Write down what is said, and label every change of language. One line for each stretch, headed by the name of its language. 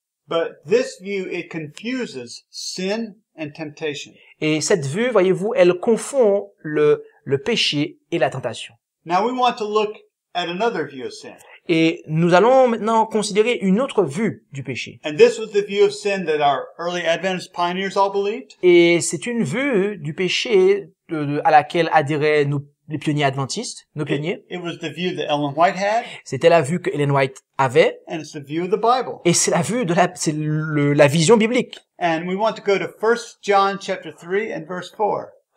English: But this view, it confuses sin and temptation.
French: Et cette vue, voyez-vous, elle confond le péché et la tentation.
English: Now we want to look and another view of sin.
French: Et nous allons maintenant considérer une autre vue du péché.
English: And this was the view of sin that our early Adventist pioneers all believed.
French: Et c'est une vue du péché à laquelle adhéraient les pionniers adventistes, nos pionniers.
English: It was the view that Ellen White had.
French: C'était la vue que Ellen White avait.
English: And it's the view of the Bible.
French: Et c'est la vue de la vision biblique.
English: And we want to go to 1 John chapter 3 and verse 4.